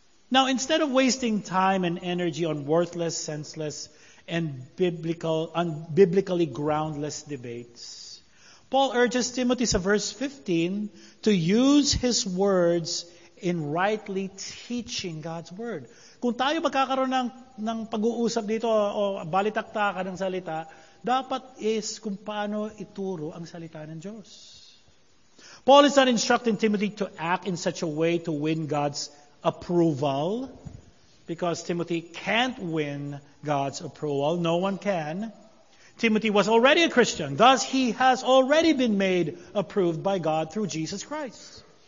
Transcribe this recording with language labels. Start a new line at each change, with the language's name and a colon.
English: Now, instead of wasting time and energy on worthless, senseless, and unbiblically groundless debates, Paul urges Timothy, in verse 15, to use his words in rightly teaching God's word.
Filipino: Kung tayo magkakaroon ng pag-uusap dito o balitaktakan ng salita, dapat is kung paano ituro ang salita ng Diyos.
English: Paul is not instructing Timothy to act in such a way to win God's approval, because Timothy can't win God's approval. No one can. Timothy was already a Christian. Thus, he has already been made approved by God through Jesus Christ.